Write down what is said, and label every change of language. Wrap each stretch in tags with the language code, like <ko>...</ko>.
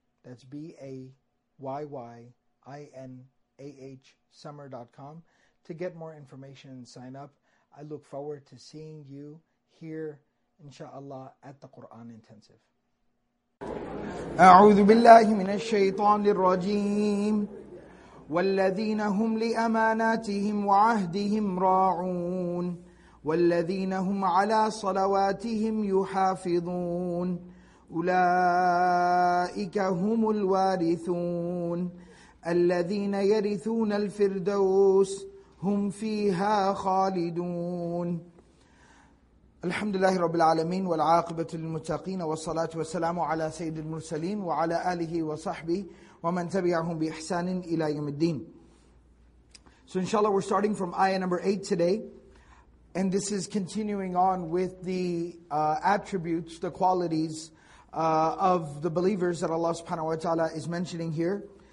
<en>That's bayinasummer.com to get more information and sign up. I look forward to seeing you here, inshallah, at the Quran Intensive.</en> <ar>A'udhu billahi minash shaitanir rajim. والذين هم لأماناتهم وعهدهم راعون والذين هم على صلواتهم يحافظون أولئك هم الوارثون الذين يرثون الفردوس هم فيها خالدون الحمد لله رب العالمين والعاقبة للمتقين والصلاة والسلام على سيد المرسلين وعلى آله وصحبه وَمَنْ تَبِعَهُمْ بِإِحْسَانٍ إِلَىٰ يَوْمِ الدِّينِ.</ar> <en>So inshallah, we're starting from ayah number 8 today. And this is continuing on with the attributes, the qualities of the believers that Allah subhanahu wa ta'ala is mentioning here.</en>